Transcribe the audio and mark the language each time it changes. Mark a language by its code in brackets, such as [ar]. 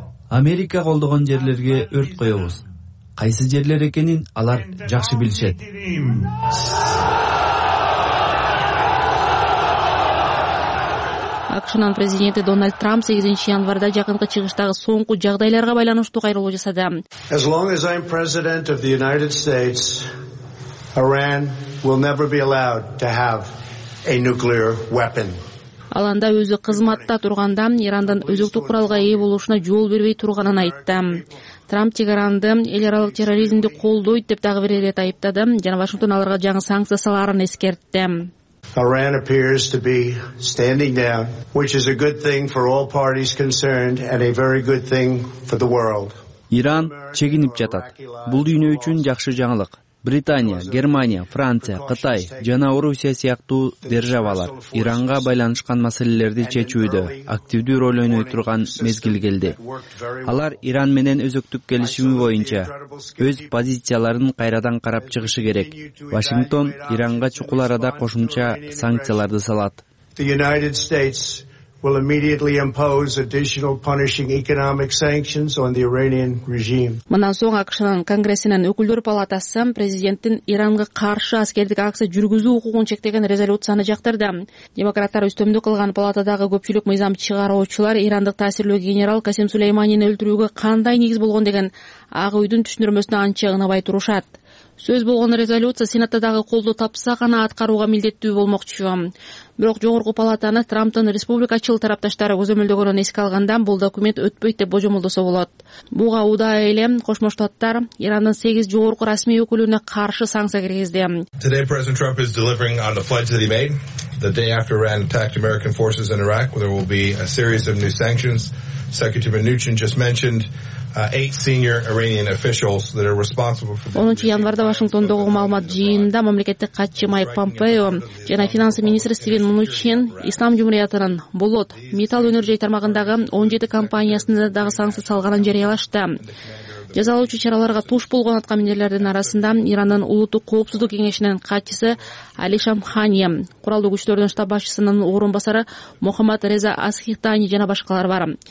[ky] Америка колдогон жерлерге өрт коебуз. Кайсы жерлер экенин алар жакшы билишет. АКШнын президенти Дональд Трамп 8 январда жакынкы чыгыштагы соңку жагдайларга байланыштуу кайрылуу жасады. [en] As long as I'm president of the United States, Iran will never be allowed to have a nuclear weapon. [ky] Аланда өзү кызматта турганда Ирандын өзөктүк куралга ээ болушуна жол бербей турганын айтты. Трамп Тегеранды эл аралык терроризмди колдойт деп дагы бир ирет айыптады жана Вашингтон аларга жаңы санкция салаарын эскертти. [en] Iran appears to be standing down, which is a good thing for all parties concerned and a very good thing for the world. [ky] Иран чегинип жатат. Бул дүйнө үчүн жакшы жаңылык. Британия, Германия, Франция, Кытай жана Орусия сыяктуу державалар Иранга байланышкан маселелерди чечүүдө активдүү роль ойной турган мезгил келди. Алар Иран менен өзөктүк келишими боюнча өз позицияларын кайрадан карап чыгышы керек. Вашингтон Иранга чукул арада кошумча санкцияларды салат. [en] The United States will immediately impose additional punishing economic sanctions on the Iranian regime. [ky] Мындан соң АКШнын Конгрессинин өкүлдөр палатасы президенттин Иранга каршы аскердик акция жүргүзүү укугун чектеген резолюцияны жактырды. Демократтар үстөмдүк кылган палатадагы көпчүлүк мыйзам чыгаруучулар Ирандык таасирлүү генерал Касим Сулейманийни өлтүрүүгө кандай негиз болгон деген Ак Үйдүн түшүндүрмөсүнө анчыгын абай турушат. Сөз болгон резолюция Сенатадагы колдоо тапса гана аткарууга милдеттүү болмокчу. Бирок Жогорку палатаны Трамптын республикачыл тарапташтары көзөмөлдөгөнүн эске алганда бул документ өтпөйт деп божомолдосо болот. Буга удай эле Кошмо Штаттар Ирандын 8 жогорку расмий өкүлүнө каршы санкция киргизди. [en] Today President Trump is delivering on the pledge that he made the day after Iran attacked American forces in Iraq, where there will be a series of new sanctions. Secretary Mnuchin just mentioned 8 senior Iranian officials that are responsible for [ky] 10 январда Вашингтондогу маалымат жыйынында мамлекеттик катчы Майк Помпео жана финанс министри Стивен Мнучин Ислам Жумуриятынын болот металл өнөр жай тармагындагы 17 компаниясына дагы санкция салганын жарыялашты. Жазалоочу чараларга туш болгон аткаминерлердин арасында Ирандын улуттук коопсуздук кеңешинин катчысы Али Шамхани, куралдуу күчтөрдүн штаб башчысынын орун басары Мухаммад Реза Асхитани жана башкалар бар.